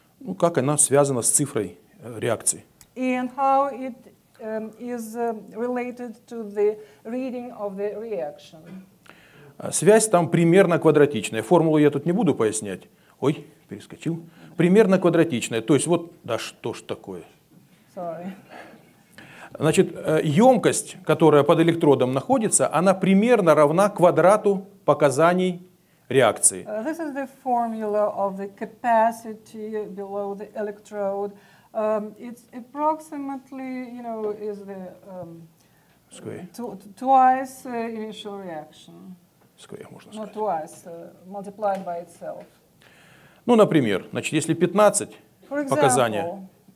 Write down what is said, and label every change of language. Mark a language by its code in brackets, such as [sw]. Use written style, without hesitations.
[ru] Ну, как она связана с цифрой реакции. [en] And how it is related to the reading of the reaction. [ru] Связь там примерно квадратичная. Формулу я тут не буду пояснять. Ой, перескочил. Примерно квадратичная. То есть вот, да что ж такое. [en] Sorry. [ru] Значит, емкость, которая под электродом находится, она примерно равна квадрату показаний реакции. [en] This is the formula of the capacity below the electrode. It's approximately, you know, is the twice initial reaction. [ru] Square, можно [en] сказать. Not twice, multiplied by itself. [ru] Ну, например, значит, если 15 показания.